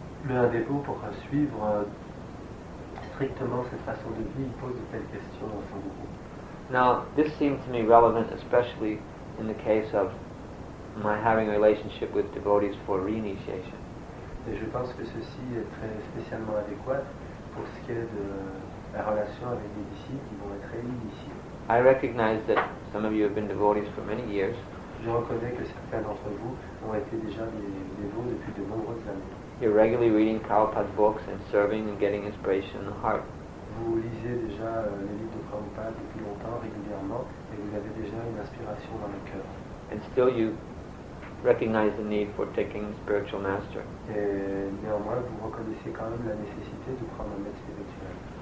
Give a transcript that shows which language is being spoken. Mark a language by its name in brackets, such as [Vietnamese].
[French] Mais un dévot, pour suivre strictement cette façon de vie, il pose de telles questions à son guru. [English] Now, this seems to me relevant, especially in the case of my having a relationship with devotees for reinitiation. [French] Et je pense que ceci est très spécialement adéquat pour ce qui est de la relation avec les disciples qui vont être réinitiés. [English] I recognize that some of you have been devotees for many years. [French] Je reconnais que certains d'entre vous ont été déjà des dévots depuis de nombreuses années. [English] You're regularly reading Prabhupada's books and serving and getting inspiration in the heart. [French] Vous lisez déjà les livres de Prabhupada depuis longtemps, régulièrement, et vous avez déjà une inspiration dans le cœur. [English] And still you recognize the need for taking a spiritual master. [French] Néanmoins, vous reconnaissez quand même la nécessité de prendre un maître spirituel.